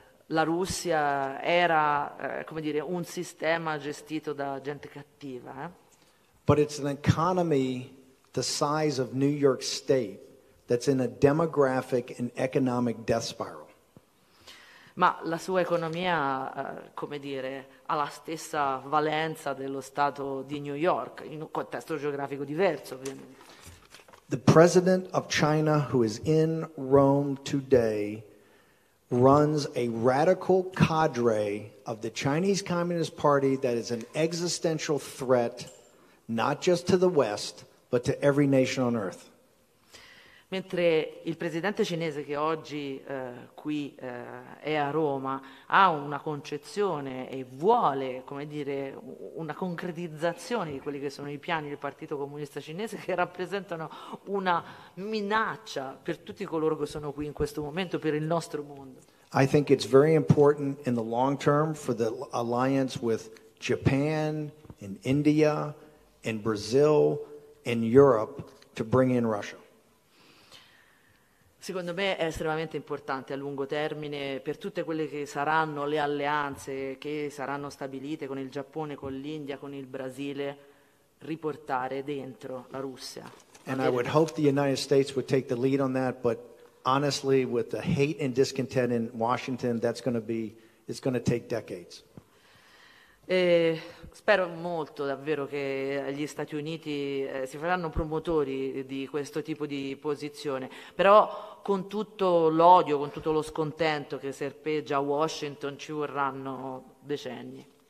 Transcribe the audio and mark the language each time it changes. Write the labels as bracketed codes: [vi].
[it] La Russia era, come dire, un sistema gestito da gente cattiva. [en] But it's an economy the size of New York State that's in a demographic and economic death spiral. [it] Ma la sua economia, come dire, ha la stessa valenza dello stato di New York, in un contesto geografico diverso, ovviamente. [en] The president of China, who is in Rome today, runs a radical cadre of the Chinese Communist Party that is an existential threat not just to the West but to every nation on earth. [it] Mentre il presidente cinese che oggi qui è a Roma ha una concezione e vuole, come dire, una concretizzazione di quelli che sono i piani del Partito Comunista Cinese, che rappresentano una minaccia per tutti coloro che sono qui in questo momento, per il nostro mondo. [en] I think it's very important in the long term for the alliance with Japan and India and Brazil and Europe to bring in Russia. [it] Secondo me è estremamente importante a lungo termine per tutte quelle che saranno le alleanze che saranno stabilite con il Giappone, con l'India, con il Brasile, riportare dentro la Russia. [en] And I would hope the United States would take the lead on that, but honestly, with the hate and discontent in Washington, it's going to take decades. [it] Spero molto davvero che gli Stati Uniti si faranno promotori di questo tipo di posizione, però con tutto l'odio, con tutto lo scontento che serpeggia Washington, ci vorranno decenni.